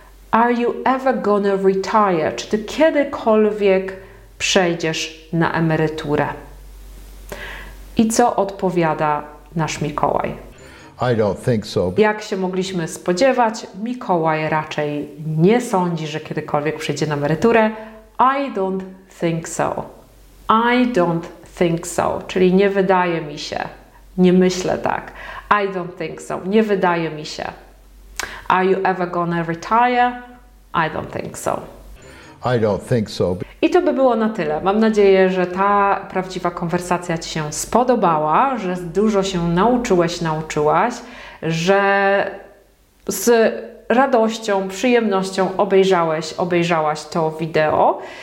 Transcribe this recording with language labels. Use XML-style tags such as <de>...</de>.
<en>Are you ever gonna retire?</en> <pl>Czy ty kiedykolwiek przejdziesz na emeryturę? I co odpowiada nasz Mikołaj?</pl> <en>I don't think so.</en> <pl>Jak się mogliśmy spodziewać, Mikołaj raczej nie sądzi, że kiedykolwiek przejdzie na emeryturę.</pl> <en>I don't think so. I don't think so.</en> <pl>Czyli nie wydaje mi się. Nie myślę tak.</pl> <en>I don't think so.</en> <pl>Nie wydaje mi się.</pl> <en>Are you ever gonna retire? I don't think so. I don't think so.</en> <pl>I to by było na tyle. Mam nadzieję, że ta prawdziwa konwersacja ci się spodobała, że dużo się nauczyłaś, że z radością, przyjemnością obejrzałaś to wideo.</pl>